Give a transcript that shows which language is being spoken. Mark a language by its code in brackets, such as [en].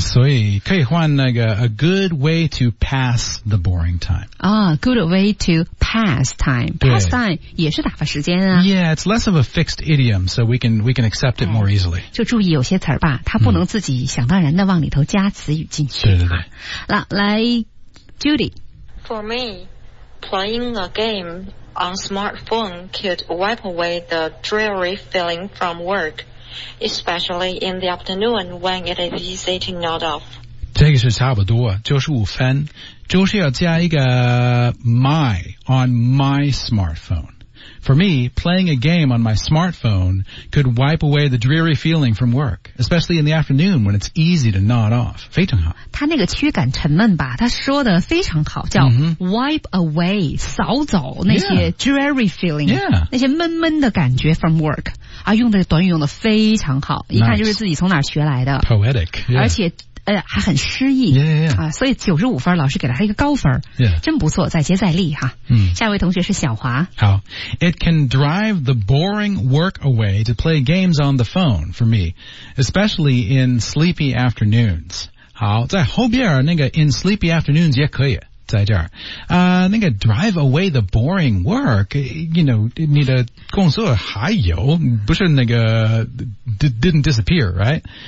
[zh] 所以可以换那个 [en] a good way to pass the boring time，啊， good way to pass time， pass time [zh] 也是打发时间啊， [en] yeah， it's less of a fixed idiom， so we can accept it more easily， [zh] 就注意有些词吧，它不能自己想当然的往里头加词语进去，对对对，来 Judy， [en] for me playing a gameOn smartphone could wipe away the dreary feeling from work, especially in the afternoon when it is easy to nod off. [zh] 这个是差不多，就是五分，就是要加一个 [en] my on my smartphone. For me, playing a game on my smartphone could wipe away the dreary feeling from work, especially in the afternoon when it's easy to nod off. [zh] 非常好。他那个驱赶沉闷吧，他说的非常好，叫 [en] wipe away， [zh] 扫走那些 [en] dreary feeling， yeah. Yeah. [zh] 那些闷闷的感觉 [en] from work。 [zh] 啊，用的短语用的非常好，一看就是自己从哪儿学来的。 [en] Nice. Poetic、yeah.。 [zh] 而且还很诗意。 [en] Yeah, yeah, yeah. [zh] 啊，所以95分老师给了他一个高分。 [en] Yeah. [zh] 真不错，再接再厉哈。嗯。下一位同学是小华。好。 [en] It can drive the boring work away to play games on the phone for me, especially in sleepy afternoons. [zh] 好，在后边那个 [en] in sleepy afternoons [zh] 也可以在这儿。 [en] 那个 drive away the boring work, you know, [zh] 你的工作还有不是那个 [en] didn't disappear, right?